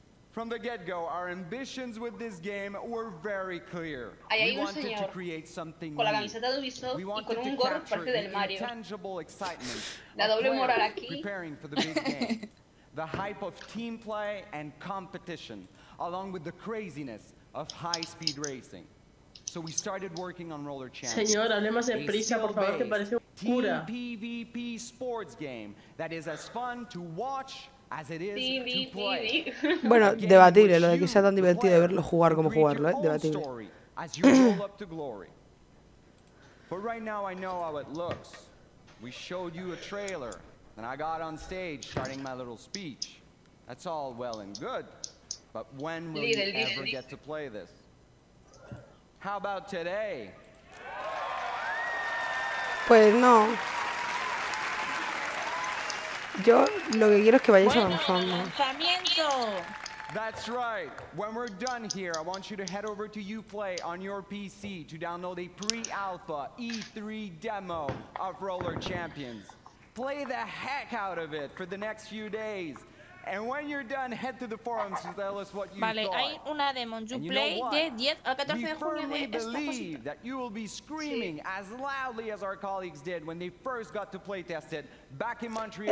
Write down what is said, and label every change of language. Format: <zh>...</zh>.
<en>From the get-go, our ambitions with this game were very clear.</en> <es>Ahí hay un señor con la camiseta de Ubisoft y con un gorro parte del Mario. La doble moral aquí.</es> <en>The hype of team play and competition, along with the craziness of high-speed racing. So we started working on Roller Champions.</en> <es>Señor, hable más deprisa, por favor, que parece un cura.</es> <en>Team PvP sports game that is as fun to watch as it is PvP. To play.</en> <es>Bueno, debatible, lo de que sea tan divertido de verlo jugar como jugarlo, debatible.</es> <en>As you roll up to glory. But right now I know how it looks. We showed you a trailer, and I got on stage starting my little speech. That's all well and good, but when will we ever get to play this? How about today?</en> <es>Pues no. Yo lo que quiero es que vayáis avanzando. Lanzamiento.</es> <en>That's right. When we're done here, I want you to head over to Uplay on your PC to download a pre-alpha E3 demo of Roller Champions. Play the heck out of it for the next few days. And when you're done, head to the forums to tell us what you</en> <es>vale,</es> <en>thought.</en> <es>Hay una demo en Uplay de 10 al 14 de julio de esta cosita.</es> <en>We believe that you will be screaming sí. As loudly as our colleagues did when they first got to play test it back in Montreal.</en>